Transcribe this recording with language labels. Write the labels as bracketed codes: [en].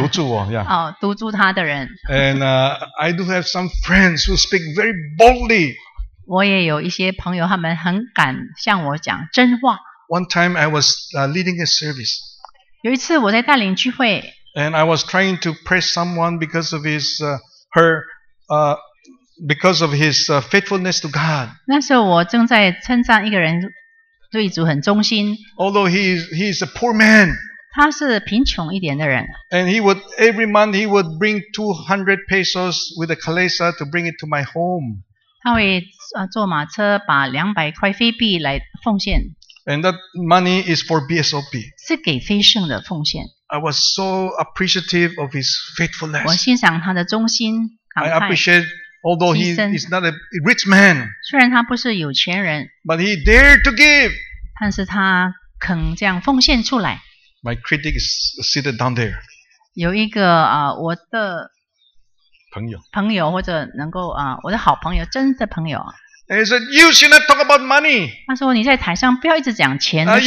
[zh] 督助我、yeah. 督助他的人 [en] And I do have some friends who speak very boldly [zh] 我也有一些朋友他们很敢向我讲真话 [en] One time I was leading a service [zh] 有一次我在带领聚会 [en] And I was trying to press someone because of his faithfulness to God [zh] 那时候我正在称赞一个人对主很忠心 [en] Although he is a poor man [zh] 他是贫穷一点的人。 [en] And he would, every month he would bring 200 pesos with a kalesa to bring it to my home. [zh] 他会坐马车把200块飞币来奉献。 [en] And that money is for BSOP. [zh] 是给非圣的奉献。 [en] I was so appreciative of his faithfulness. [zh] 我欣赏他的忠心。 [en] I appreciate, although he is not a rich man. [zh] 虽然他不是有钱人。 [en] But he dared to give. [zh] 但是他肯这样奉献出来。 [en] My critic is seated down there. [zh] 有一个我的朋友。朋友或者能够我的好朋友，真的朋友。 [en] And he said, you should not talk about money. [zh] 他说你在台上不要一直讲钱的事。